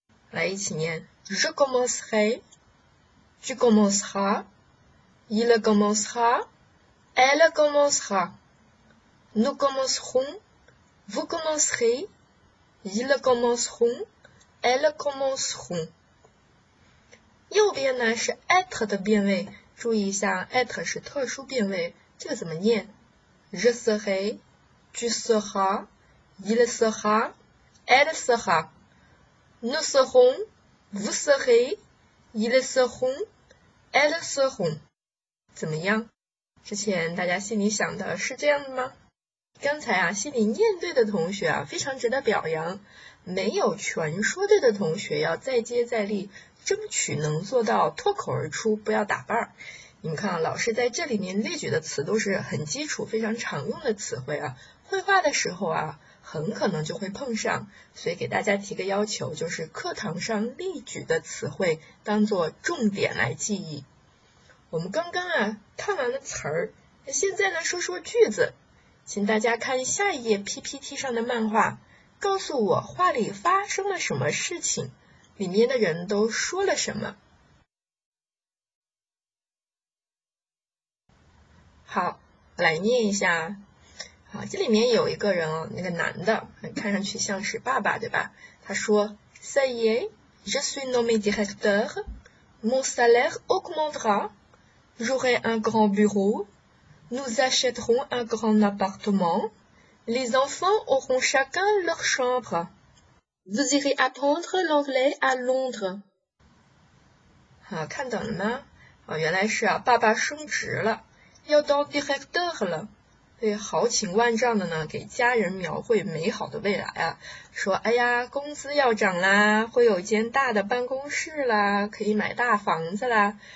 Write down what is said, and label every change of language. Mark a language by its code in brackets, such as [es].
[zh] 来一起念 [fr] je commencerai, tu commenceras, il commencera, elle commencera, nous commencerons, vous commencerez, ils commenceront, elles commenceront。 [zh] 右边呢是 at 的变位，注意一下 at 是特殊变位，这个怎么念？ [fr] je serai, tu seras, il sera, elle sera, nous serons, vous serez, ils seront, elles seront。 [zh] 怎么样？之前大家心里想的是这样的吗？刚才啊心里念对的同学啊非常值得表扬，没有全说对的同学要再接再厉，争取能做到脱口而出，不要打瓣儿。你们看啊，老师在这里面列举的词都是很基础非常常用的词汇啊，绘画的时候啊很可能就会碰上，所以给大家提个要求，就是课堂上列举的词汇当做重点来记忆。我们刚刚啊看完了词儿，现在呢说说句子。请大家看下一页 PPT 上的漫画，告诉我画里发生了什么事情，里面的人都说了什么。好，我来念一下。好，这里面有一个人哦，那个男的看上去像是爸爸，对吧？他说 [fr] Ça y est, je suis nommé directeur, mon salaire augmentera, j'aurai un grand bureau,Nous achèterons un grand appartement. Les enfants auront chacun leur chambre. Vous irez apprendre l'anglais à Londres. [zh] 好，看懂了吗？哦，原来是啊，爸爸升职了，要当 directeur 了。对，豪情万丈的呢，给家人描绘美好的未来啊，说哎呀，工资要涨啦，会有间大的办公室啦，可以买大房子啦。